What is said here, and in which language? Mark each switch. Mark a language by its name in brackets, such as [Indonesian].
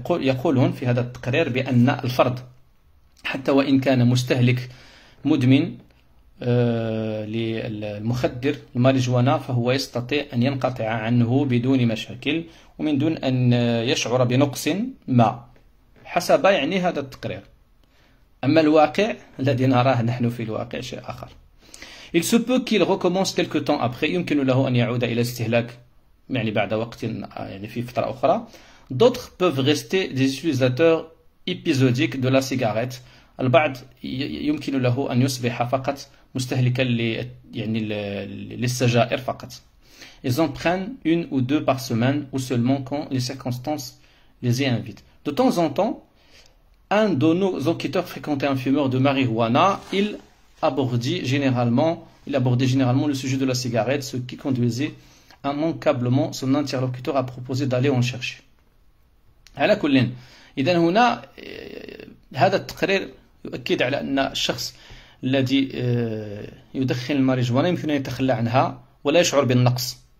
[Arabic] يقولون في هذا التقرير بأن الفرد حتى وإن كان مستهلك مدمن للمخدر الماريجوانا فهو يستطيع أن ينقطع عنه بدون مشاكل ومن دون أن يشعر بنقص ما حسب يعني هذا التقرير. أما الواقع الذي نراه نحن في الواقع شيء آخر. [French] Il se peut qu'il recommence quelque temps après. [Arabic] يمكن له أن يعود إلى استهلاك يعني بعد وقت يعني في فترة أخرى. [French] D'autres peuvent rester des utilisateurs épisodiques de la cigarette. [Arabic] البعض يمكن له أن يصبح فقط مستهلكا يعني للسجائر فقط. [French] Ils en prennent une ou deux par semaine ou seulement quand les circonstances les y invitent. De temps en temps, un de nos enquêteurs fréquentait un fumeur de marijuana. Il abordait généralement le sujet de la cigarette, ce qui conduisait immanquablement son interlocuteur a proposé d'aller en chercher. [Arabic] على كل إذا هنا هذا التقرير يؤكد على أن الشخص الذي يدخن الماريجوانا يمكن أن يتخلى عنها ولا يشعر بالنقص.